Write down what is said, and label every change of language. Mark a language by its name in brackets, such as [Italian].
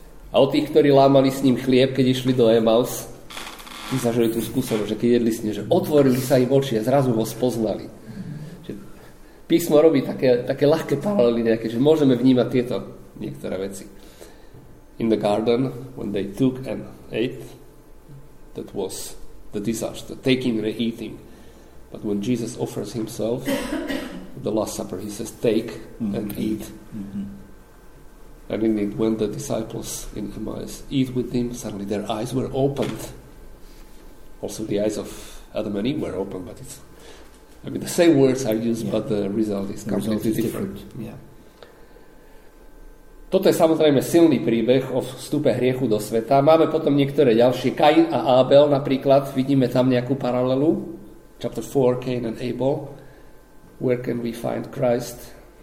[Slovak] A od tých, ktorí lámali s ním chlieb, keď išli do Emaus, tí zažili tú skúsenosť, že keď jedli s ním, že otvorili sa im oči a zrazu ho spoznali. Písmo robí také ľahké paralely nejaké, že môžeme vnímať tieto niektoré veci. [English] In the garden, when they took and ate, that was the disaster, the taking and eating. But when Jesus offers himself, the Last Supper, he says, take and eat. Mm-hmm. And indeed, when the disciples in Emmaus eat with him, suddenly their eyes were opened. Also the eyes of Adam and Eve were opened, but it's... I mean, the same words are used, but the result is completely result is different. [Slovak] Toto je samozrejme silný príbeh o vstupe hriechu do sveta. Máme potom niektoré ďalšie. Kain a Abel napríklad. Vidíme tam nejakú paralelu. [English] Chapter 4, Cain and Abel. Where can we find Christ?